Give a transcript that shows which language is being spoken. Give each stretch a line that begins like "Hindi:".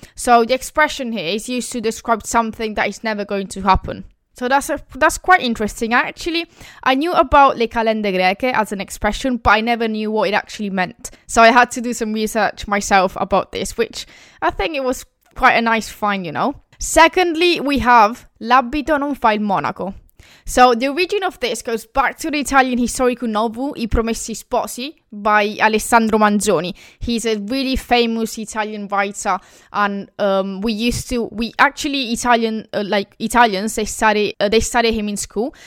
English: So the expression here is used to describe something that is never going to happen. So that's quite interesting. Actually, I knew about
Italian: le calende greche
English: as an expression, but I never knew what it actually meant. So I had to do some research myself about this, which I think it was quite a nice find, you know. Secondly, we have
Italian: l'abito non fa il monaco.
English: So the origin of this goes back to the Italian historical novel I Promessi Sposi by Alessandro Manzoni. He's a really famous Italian writer, and Italians study him in school.